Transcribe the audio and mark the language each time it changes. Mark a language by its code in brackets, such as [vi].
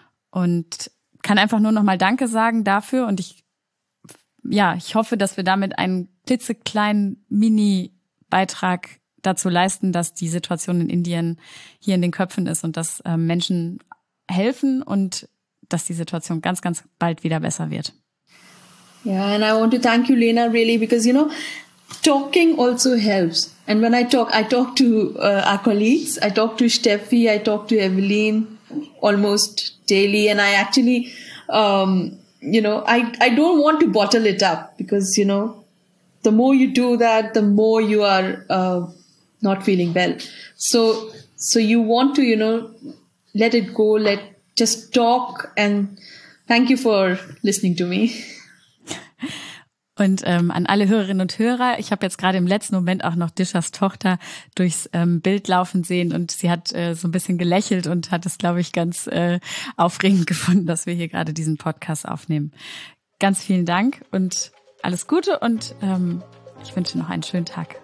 [de] Und kann einfach nur nochmal Danke sagen dafür. Und ich hoffe, dass wir damit einen klitzekleinen Mini-Beitrag dazu leisten, dass die Situation in Indien hier in den Köpfen ist und dass Menschen helfen und dass die Situation ganz, ganz bald wieder besser wird. [en] Yeah, and I want to thank you, Lena, really, because, you know, talking also helps. And when I talk to our colleagues, I talk to Steffi, I talk to Evelyn almost daily. And I actually, you know, I don't want to bottle it up, because, you know, the more you do that, the more you are not feeling well. So you want to, you know, let it go, just talk. And thank you for listening to me. [de] Und an alle Hörerinnen und Hörer, ich habe jetzt gerade im letzten Moment auch noch Dishas Tochter durchs Bild laufen sehen, und sie hat so ein bisschen gelächelt und hat es, glaube ich, ganz aufregend gefunden, dass wir hier gerade diesen Podcast aufnehmen. Ganz vielen Dank und alles Gute, und ich wünsche noch einen schönen Tag.